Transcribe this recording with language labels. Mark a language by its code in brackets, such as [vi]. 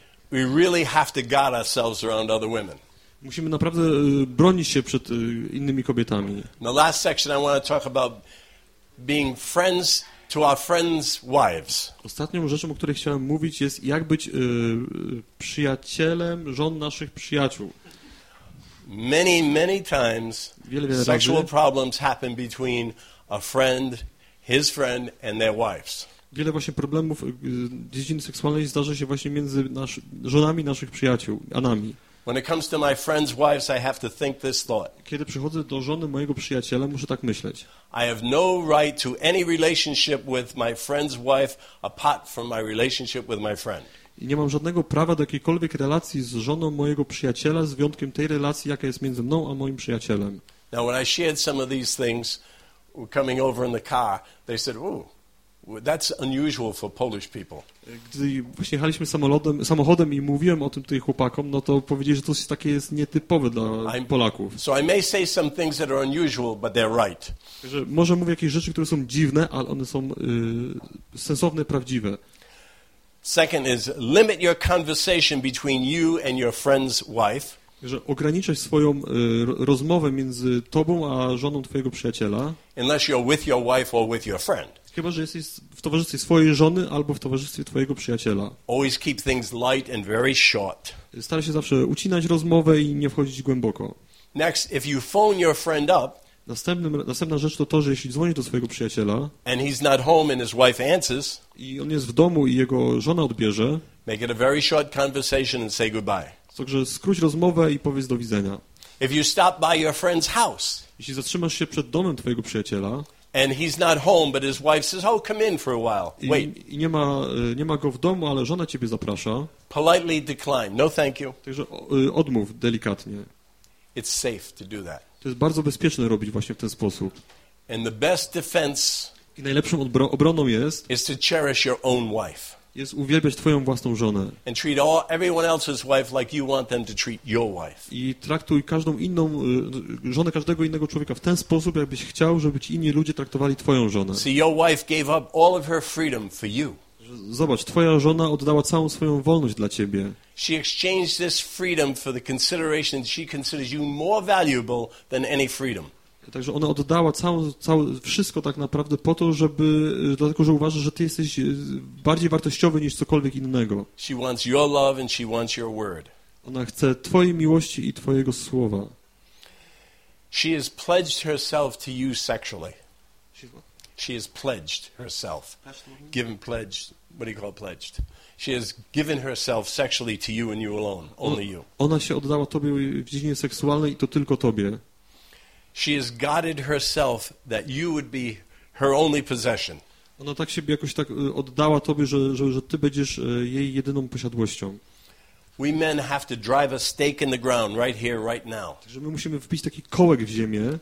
[en] We really have to guard ourselves around other women. [pl] Musimy naprawdę bronić się przed innymi kobietami. [en] The last section I want to talk about being friends to our friends' wives. [pl] Ostatnią rzeczą, o której chciałem mówić, jest jak być przyjacielem żon naszych przyjaciół. [en] Many times [pl] wiele [en] sexual problems happen between a friend, his friend, and their wives. [pl] Wiele właśnie problemów dziedziny seksualnej zdarza się właśnie między żonami naszych przyjaciół, a nami. [en] When it comes to my friend's wives, I have to think this thought. [pl] Kiedy przychodzę do żony mojego przyjaciela, muszę tak myśleć. [en] I have no right to any relationship with my friend's wife apart from my relationship with my friend. [pl] I nie mam żadnego prawa do jakiejkolwiek relacji z żoną mojego przyjaciela, z wyjątkiem tej relacji, jaka jest między mną a moim przyjacielem. [en] Now when I shared some of these things coming over in the car, they said, "Ooh, that's unusual for Polish people." [pl] Gdy właśnie jechaliśmy samochodem i mówiłem o tym tutaj chłopakom, no to powiedzieli, że to jest takie jest nietypowe dla Polaków. [en] So I may say some things that are unusual, but they're right. [pl] Że może mówię jakieś rzeczy, które są dziwne, ale one są sensowne, prawdziwe. [en] Second is limit your conversation between you and your friend's wife. [pl] Że ograniczasz swoją rozmowę między tobą a żoną twojego przyjaciela. [en] Unless you're with your wife or with your friend. [pl] Chyba że jesteś w towarzystwie swojej żony albo w towarzystwie twojego przyjaciela. [en] Always keep things light and very short. [pl] Staraj się zawsze ucinać rozmowę i nie wchodzić głęboko. [en] Next, if you phone your friend up. [pl] Następna rzecz to, że jeśli dzwonisz do swojego przyjaciela [en] and he's not home and his wife answers, [pl] i on jest w domu i jego żona odbierze, [en] make it a very short conversation and say goodbye. [pl] Także skróć rozmowę i powiedz do widzenia. [en] If you stop by your friend's house, [pl] jeśli zatrzymasz się przed domem twojego przyjaciela [en] and he's not home, but his wife says, "Oh, come in for a while. Wait." [pl] I nie ma go w domu, ale żona ciebie zaprasza. [en] Politely decline. No, thank you. [pl] Także odmów delikatnie. [en] It's safe to do that. [pl] To jest bardzo bezpieczne robić właśnie w ten sposób. [en] And the best defense. [pl] I najlepszą obroną jest. [en] Is to cherish your own wife. [pl] Jest uwielbiać twoją własną żonę. [en] And treat everyone else's wife like you want them to treat your wife. [pl] I traktuj każdą inną żonę każdego innego człowieka w ten sposób, jakbyś chciał, żeby ci inni ludzie traktowali twoją żonę. [en] See, your wife gave up all of her freedom for you. [pl] Zobacz, twoja żona oddała całą swoją wolność dla ciebie. [en] She exchanged this freedom for the consideration that she considers you more valuable than any freedom. [pl] Także ona oddała całe wszystko tak naprawdę po to, żeby dlatego, że uważa, że ty jesteś bardziej wartościowy niż cokolwiek innego. [en] She wants your love and she wants your word. [pl] Ona chce twojej miłości i twojego słowa. [en] She has pledged herself to you sexually. She has pledged herself. Given pledged. What do you call pledged? She has given herself sexually to you and you alone. Only you. [pl] Ona się oddała tobie w dziedzinie seksualnej i to tylko tobie. [en] She has guarded herself that you would be her only possession. [pl] Ona tak siebie jakoś tak oddała tobie, że ty będziesz jej jedyną posiadłością. [en] We men have to drive a stake in the ground right here, right now. [pl] Także my musimy wbić taki kołek w ziemię.